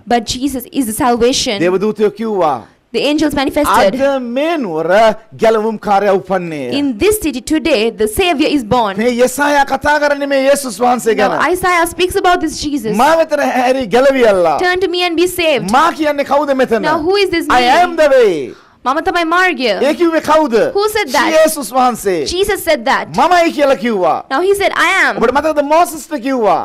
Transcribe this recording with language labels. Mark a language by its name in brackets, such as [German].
[English] but jesus is the salvation [Sinhala] දේවදූතයෝ කිව්වා [English] the angels manifested [Sinhala] අද මේ නුවර ගැලවුම් කාර්යය උපන්නේ [English] in this city today the savior is born [Sinhala] මේ යසායා කතා කරන්නේ මේ යේසුස් වහන්සේ ගැන [English] Isaiah speaks about this Jesus [Sinhala] මා වෙතර හැරි ගැලවියල්ලා [English] turn to me and be saved [Sinhala] මා කියන්නේ කවුද මෙතන [English] now who is this man? I am the way [Sinhala] මම තමයි මාර්ගය ඒ කිව්වේ කවුද [English] who said that [Sinhala] යේසුස් වහන්සේ [English] Jesus said that [Sinhala] මමයි කියලා කිව්වා [English] now he said I am [Sinhala] ඔබට මතකද මොසෙස්ට කිව්වා